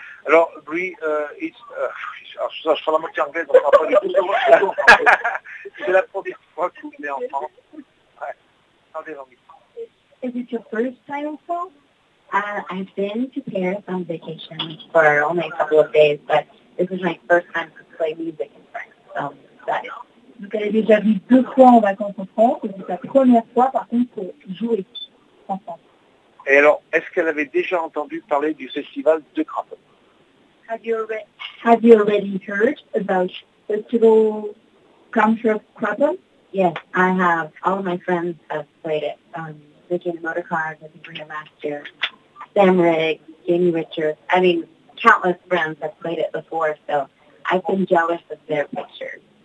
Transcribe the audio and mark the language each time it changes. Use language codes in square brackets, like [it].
[fr] Alors, Brie, alors, je parle la moitié anglaise, on ne parle pas du tout de moi. C'est la première fois que vous venez en France. Ouais. Parlez anglais. [en] Is it your first time in France? I've been to Paris on vacation for only a couple of days, but this is my first time to play music in France. So, that is. [fr] Vous avez déjà vu deux fois en vacances en France, et c'est la première fois, par contre, pour jouer en France. Et alors, est-ce qu'elle avait déjà entendu parler du festival de Krapov? [en] Have you already heard about festival Country of Krapov? Yes, I have. All of my friends have played it. Vicky and the Motorcars, I think Rio Master, Sam Riggs, Jamie Richards. I mean, countless friends have played it before, so I've been jealous of their pictures.